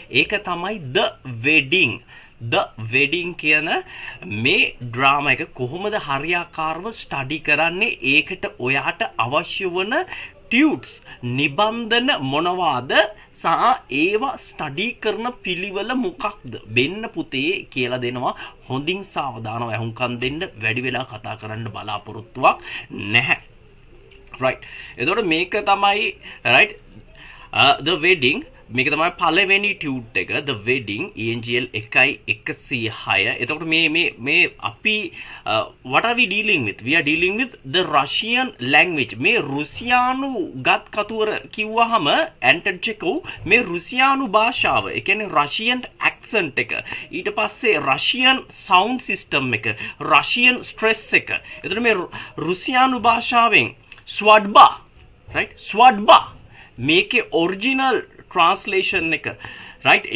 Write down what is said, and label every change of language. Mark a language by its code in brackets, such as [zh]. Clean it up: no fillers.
[si] ඒක තමයි ද වෙඩින්. ද වෙඩින් කියන මේ ඩ්‍රාම එක කොහොමද හරියාකාරව ස්ටඩි කරන්නේ, ඒකට ඔයාට අවශ්‍ය වන ටියුට්ස් නිබන්ධන මොනවාද, සහ ඒවා ස්ටඩි කරන පිළිවෙල මොකක්ද බෙන්න පුතේ කියලා දෙනවා. හොඳින් සාවධානව ඇහුම්කන් දෙන්න, වැඩි වෙලා කතා කරන්න බලාපොරොත්තුවක් නැහැ. රයිට්. එතකොට මේක තමයි රයිට් ද වෙඩින්. මේක තමයි පළවෙනි ටියුට් එක, ද වෙඩින් ENGL 1106. එතකොට මේ අපි [en] what are we dealing with? We are dealing with the Russian language. [si] මේ රුසියානු ගත් කතුවර කිව්වහම ඇන්ටන් චෙකෝව් මේ රුසියානු භාෂාව, ඒ කියන්නේ රෂියන් ඇක්සන්ට් එක, ඊට පස්සේ රෂියන් සවුන්ඩ් සිස්ටම් එක, රෂියන් ස්ට්‍රෙස් එක. එතකොට මේ රුසියානු භාෂාවෙන් ස්වඩ්බා, රයිට්, ස්වඩ්බා මේකේ ඔරිජිනල් ට්‍රන්ස්ලේෂන් එක, රයිට්.